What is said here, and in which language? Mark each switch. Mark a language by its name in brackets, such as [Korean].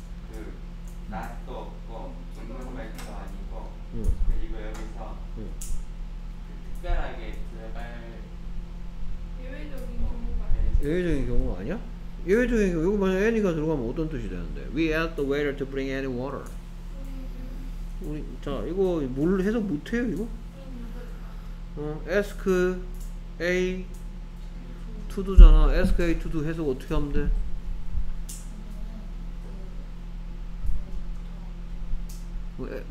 [Korean] 그 낫도 없고 중문말도 아니고 여기서 특별하게 들어갈 예외적인 경우가 아니야? 예외적인 경우 아니야? 예외적인 경우, 이거 만약에 애니가 들어가면 어떤 뜻이 되는데? [English] We asked the waiter to bring any water. [Korean] 우리, 자, 이거 뭘 해석 못해요, 이거? 어, [English] ask A to do [Korean] 잖아. [English] Ask A to do [Korean] 해석 어떻게 하면 돼?